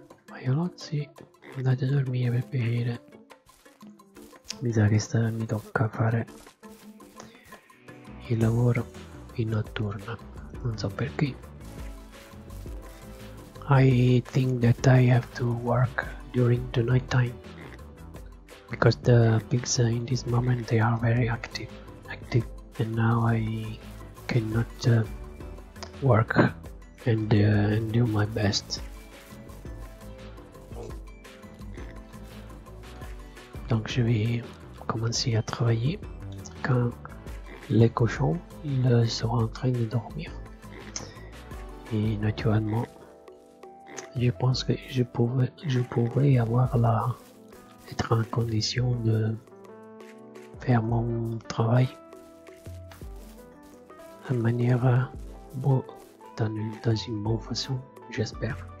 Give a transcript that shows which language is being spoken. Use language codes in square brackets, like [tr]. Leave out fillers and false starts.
[it] Maiolozzi, andate a dormire per piacere. Mi sa che mi tocca fare il lavoro in notturna, non so perché. [en] I think that I have to work during the night time because the pigs in this moment they are very active and now I cannot work and do my best. [fr] Donc je vais commencer à travailler quand les cochons seront en train de dormir. Et naturellement, je pense que je pourrais avoir être en condition de faire mon travail de manière dans une bonne façon, j'espère.